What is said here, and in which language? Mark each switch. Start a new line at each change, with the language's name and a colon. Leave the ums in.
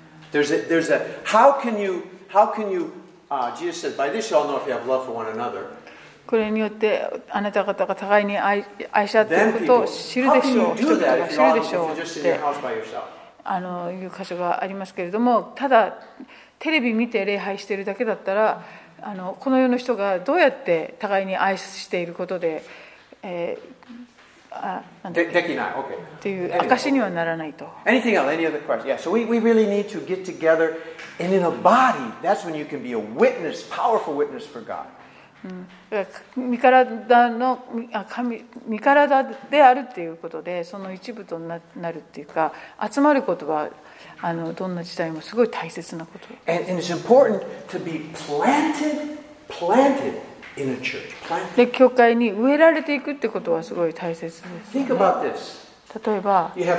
English: There's a, there's a, how can you, how can you, uh, Jesus said, by this you all know if you have love for one another.
Japanese: これによってあなた方が互いに愛,愛し合っていることを知るでしょう。人々が知るでしょう。ってあのいう箇所がありますけれども、ただテレビ見て礼拝しているだけだったらあの、この世の人がどうやって互いに愛していることで。えーあでできない。という証にはならないと。
English: Anything else? Any other question? Yeah, so we, we really need to get together and in a body, that's when you can be a witness, powerful witness for God.
Japanese: 身体の、身体であるっていうことで、その一部とななるっていうか、集まることはあのどんな時代もすごい大切なこと。
English: a n and it's important to be planted, planted.
Japanese: で教会に植えられていくってことはすごい大切です、ね、例えば、